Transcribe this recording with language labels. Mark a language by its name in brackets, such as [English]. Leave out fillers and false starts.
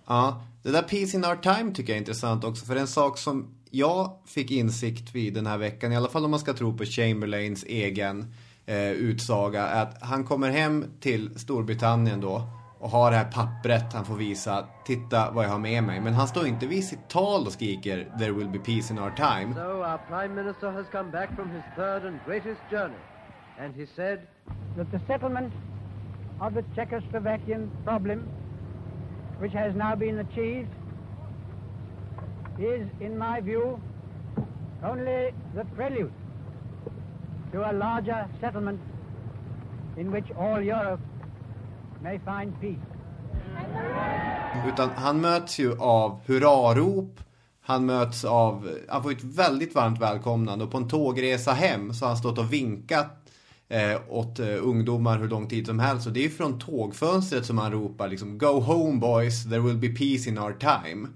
[Swedish] Ja, det där [English] peace in our time [Swedish] tycker jag är intressant också. För en sak som jag fick insikt vid den här veckan, i alla fall om man ska tro på Chamberlains egen utsaga, är att han kommer hem till Storbritannien då och har det här pappret han får visa. Titta vad jag har med mig. Men han står inte vid sitt tal och skriker [English] "There will be peace in our time." So our prime minister has come back from his third and greatest journey. And he said that the settlement of the Czechoslovakian problem, which has now been achieved, is in my view only the prelude to a larger settlement in which all Europe may find peace. [Swedish] Utan han möts ju av hurrarop. Han möts av, han får ett väldigt varmt välkomnande, och på en tågresa hem så har han stått och vinkat åt ungdomar hur lång tid som helst, och det är från tågfönstret som han ropar liksom, [English] "Go home boys, there will be peace in our time."